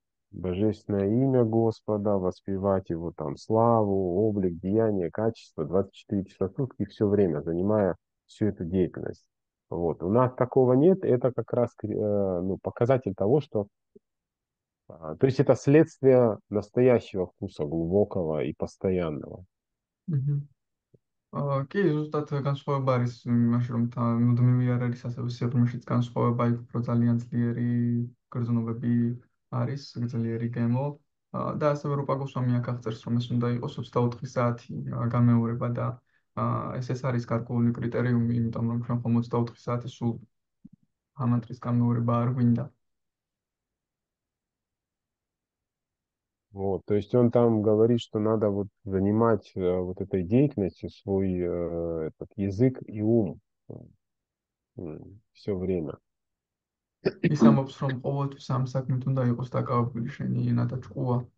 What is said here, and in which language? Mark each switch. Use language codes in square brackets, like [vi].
[ru] Божественное имя Господа, воспевать Его там славу, облик, деяние, качество 24 часа в сутки, все время, занимая всю эту деятельность. Вот. У нас такого нет, это как раз ну, показатель того, что то есть это следствие настоящего вкуса, глубокого и постоянного. [ka] კი, ზუსტად განსხვავება არის იმაში, რომ მუდმივი არ არის, ასევე სიღრმეშიც განსხვავება, უფრო ძალიან ძლიერი გრძნობები არის, ძლიერი გემო. და ასევე რუპა გოსვამი აქ აღწერს, რომ ეს უნდა იყოს 24 საათი გამეორება და ეს არის გარკვეული კრიტერიუმი, იმიტომ რომ ჩვენ ხომ 24 საათი სულ ამანტრის გამეორება არ გვინდა. [ru] Вот, то есть он там говорит, что надо вот занимать вот этой деятельностью свой этот язык и ум все время. И сам обсром овод сам сакмит туда и вот такая решение на тачкуа.